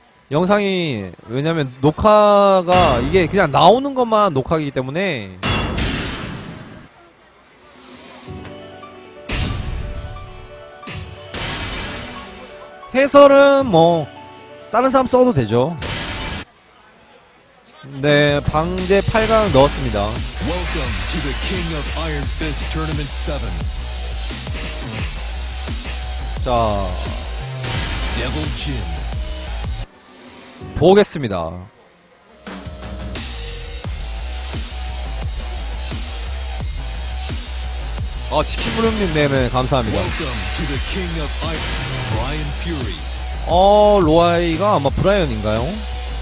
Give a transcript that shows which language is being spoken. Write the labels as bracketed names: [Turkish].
[Korean] 영상이 왜냐면 녹화가 이게 그냥 나오는 것만 녹화이기 때문에 해설은 뭐 다른 사람 써도 되죠. 네, 방제 8강 넣었습니다. [English] Welcome to the King of Iron Fist Tournament 7. [Korean] 자, Devil Jim. 보겠습니다. 아, 치킨 무릎님, 네네, 감사합니다. [English] Welcome to the King of Iron, Brian Fury. [Korean] 로아이가 아마 브라이언인가요?